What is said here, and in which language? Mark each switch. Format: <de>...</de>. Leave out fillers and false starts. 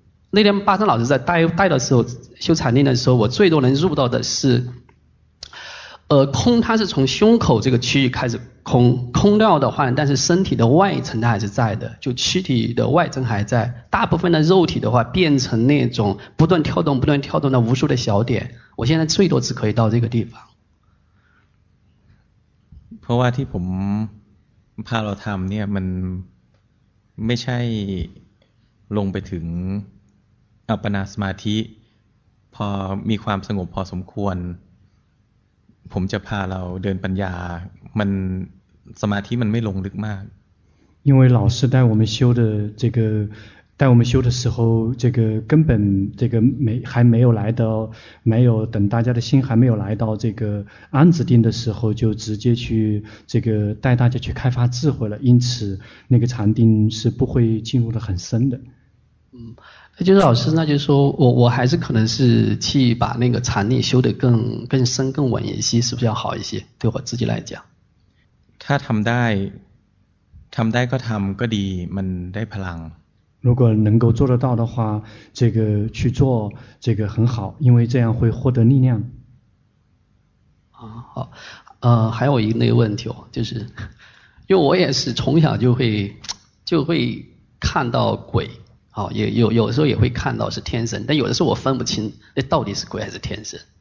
<zh>那天巴山老师在带的时候修禅定的时候我最多能入到的是空它是从胸口这个区域开始空空掉的话但是身体的外层它还是在的就躯体的外层还在大部分的肉体的话变成那种不断跳动的无数的小点我现在最多只可以到这个地方</zh> <th>เพราะว่าที่ผมพาเราทำเนี่ยมันไม่ใช่ลงไปถึงอัปปนาสมาธิพอมีความสงบพอสมควรผมจะพาเราเดินปัญญามันสมาธิมันไม่ลงลึกมาก</th> <zh>因为老师带我们修的这个但我们修的时候，这个根本这个没还没有来到，没有等大家的心还没有来到这个安子定的时候，就直接去这个带大家去开发智慧了。因此，那个禅定是不会进入的很深的。嗯，就是老师，那就是说我还是可能是去把那个禅定修得更深更稳一些，是不是要好一些？对我自己来讲，他</zh> <th>ทำได้ทำได้ก็ทำก็ดีมันได้พลัง</th> <zh>如果能够做得到的话，这个去做这个很好，因为这样会获得力量。啊，好，还有一个问题哦，就是因为我也是从小就会看到鬼，啊，哦，有时候也会看到是天神，但有的时候我分不清那到底是鬼还是天神。</zh>